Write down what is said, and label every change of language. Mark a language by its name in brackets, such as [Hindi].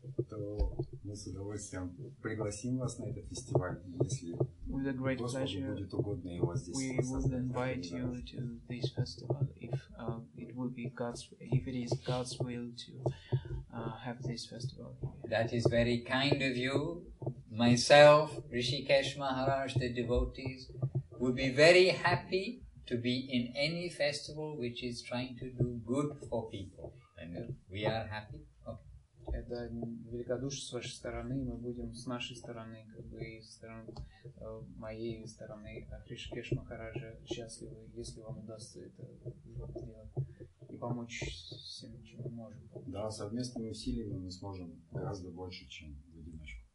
[Russian] то мы с удовольствием пригласим вас на этот фестиваль, если Господу будет угодно его здесь создать. [English] We would invite you to this festival if it will be God's, if it is God's will to have this festival. That is very kind of you. Myself, Hrishikesh Maharaj, the devotees, would be very happy to be in any festival which is trying to do good for people. And we are happy. [Russian] Это великодушие с вашей стороны, мы будем с нашей стороны, как бы и с моей стороны, Хришикеш Махараджа, счастливы, если вам удастся это сделать и помочь всем, чем мы можем. Да, совместными усилиями мы сможем гораздо больше, чем в одиночку.